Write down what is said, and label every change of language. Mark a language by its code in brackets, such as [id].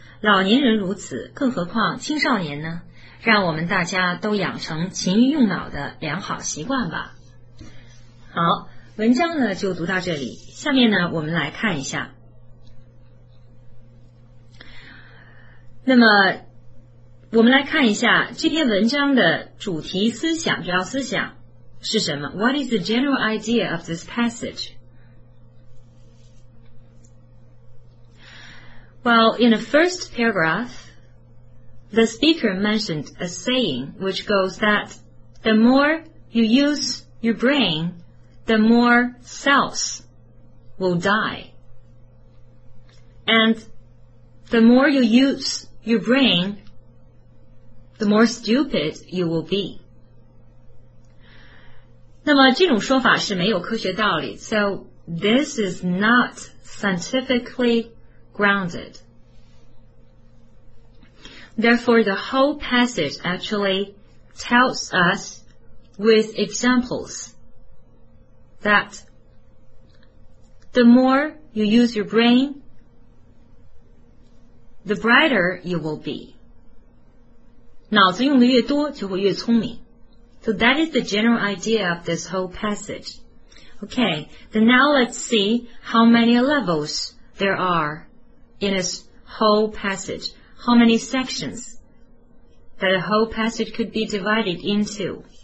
[zh] 老年人如此，更何况青少年呢？让我们大家都养成勤于用脑的良好习惯吧。好，文章呢就读到这里，下面呢我们来看一下。那么我们来看一下这篇文章的主题思想，主要思想是什么。 [en] What is the general idea of this passage? Well, in the first paragraphThe speaker mentioned a saying which goes that the more you use your brain, the more cells will die. And the more you use your brain, the more stupid you will be. [zh] 那么这种说法是没有科学道理。 [en] So this is not scientifically grounded. Therefore, the whole passage actually tells us with examples that. The more you use your brain, the brighter you will be. [zh] 脑子用的越多就会越聪明。 [en] So that is the general idea of this whole passage. Okay, then now let's see how many levels there are in this whole passage. How many sections that a whole passage could be divided into.